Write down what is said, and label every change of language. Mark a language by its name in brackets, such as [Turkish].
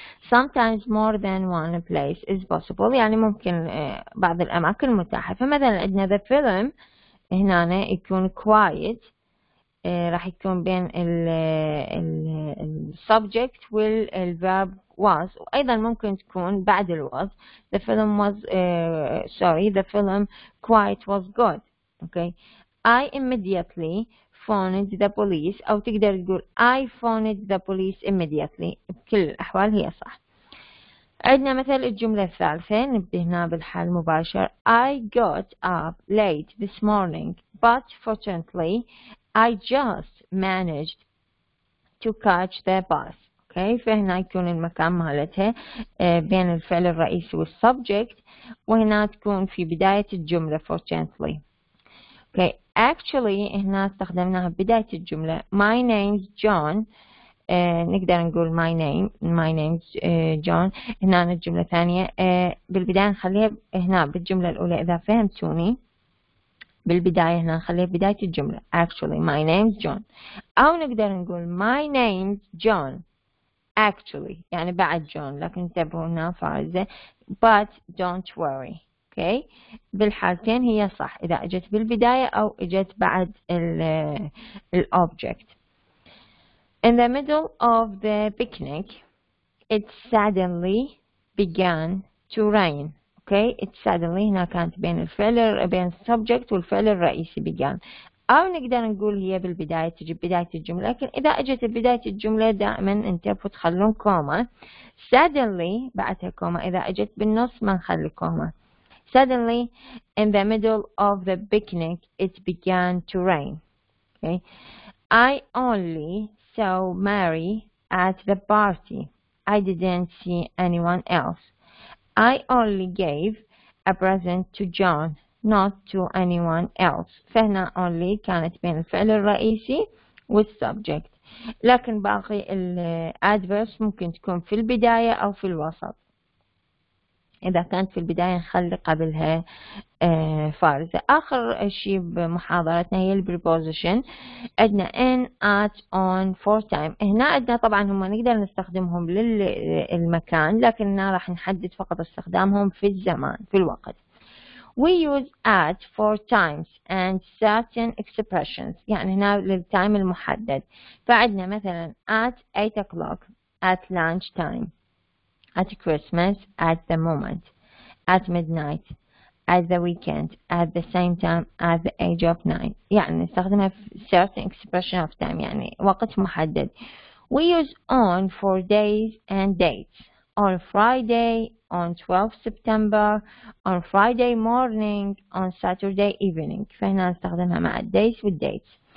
[English] Sometimes more than one place is possible. [Arabic] يعني ممكن بعض الأماكن متاحة. فمثلا عندنا [English] the film [Arabic] هنا يكون quiet راح يكون بين ال [English] subject وال verb was. [Arabic] وأيضا ممكن تكون بعد ال was. [English] The film was the film quiet was good. Okay. I immediately phoned the police. [Arabic] أو تقدر تقول [English] I phoned the police immediately. [Arabic] بكل الأحوال هي صح. عندنا مثل الجملة الثالثة نبدأ هنا بالحال مباشر. [English] I got up late this morning, but fortunately, I just managed to catch the bus. Okay. [Arabic] فهنا يكون المكان مالتها بين الفعل الرئيسي والsubject. وهنا تكون في بداية الجملة fortunately. Okay. Actually, هنا استخدمناها بداية الجملة. [English] My name's John. [Arabic] نقدر نقول [English] my name. My name's John. [Arabic] هنا الجملة الثانية. بالبداية نخليها هنا بالجملة الأولى إذا فهمتوني. بالبداية هنا نخليها بداية الجملة. [English] Actually, my name's John. [Arabic] أو نقدر نقول [English] my name's John. [Arabic] Actually. يعني بعد John. لكن انتبهوا هنا فارزة. [English] But don't worry. Okay. [Arabic] بالحالتين هي صح إذا أجت بالبداية أو أجت بعد الـ object. [English] In the middle of the picnic, it suddenly began to rain. Okay. It suddenly [Arabic] هنا كانت بين الفعل بين subject والفعل الرئيسي began. أو نقدر نقول هي بالبداية تجي بداية الجملة لكن إذا أجت بداية الجملة دائما انتبهوا تخلون كوما. Suddenly بعدها كوما إذا أجت بالنص ما نخلي كوما. [English] Suddenly, in the middle of the picnic, it began to rain. Okay. I only saw Mary at the party. I didn't see anyone else. I only gave a present to John, not to anyone else. [Arabic] فهنا only كانت بين الفعل الرئيسي والسبجكت. لكن باقي الادفيرس ممكن تكون في البداية أو في الوسط. إذا كانت في البداية نخلي قبلها فارزة. آخر شيء بمحاضرتنا هي البريبوزيشن. [English] عندنا in, at, on, for time. [Arabic] هنا عندنا طبعا هم نقدر نستخدمهم للمكان لكننا راح نحدد فقط استخدامهم في الزمان في الوقت. [English] We use at for times and certain expressions. [Arabic] يعني هنا للتايم المحدد. فعندنا مثلا [English] at 8 o'clock at lunch time. At Christmas, at the moment, at midnight, at the weekend, at the same time, at the age of 9. [Arabic] يعني نستخدمها في [English] certain expression of time, [Arabic] يعني وقت محدد. [English] We use on for days and dates. On Friday, on 12 September, on Friday morning, on Saturday evening. [Arabic] فهنا نستخدمها مع [English] days with dates.